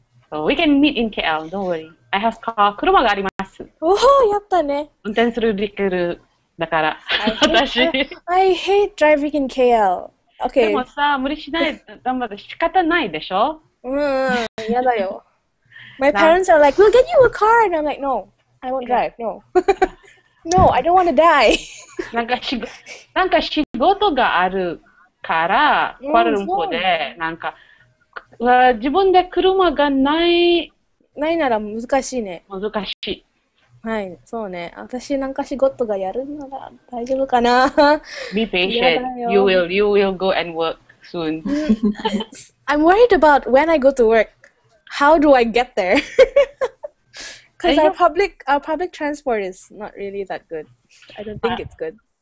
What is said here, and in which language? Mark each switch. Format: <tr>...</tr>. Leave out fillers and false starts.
<en>So we can meet in KL, don't worry. I have car,</en> <ja>車があります。おー、やったね。運転するリクルだから、私。</ja> <en>I hate driving in KL. Okay.</en> <ja>でもさ、無理しない、頑張って仕方ないでしょ？うん、やだよ。</ja> <en>My parents are like, we'll get you a car! And I'm like, no, I won't drive, no. No, I don't want to die.</en> <ja>なんか仕事があるから、コアラルンポで、なんか、自分で車がない。ないなら難しいね。難しい。はい、そうね。私なんか仕事がやるなら大丈夫かな。</ja> <en>Be patient. You will go and work soon. I'm worried about when I go to work. How do I get there? Because our public transport is not really that good. I don't think it's good.</en>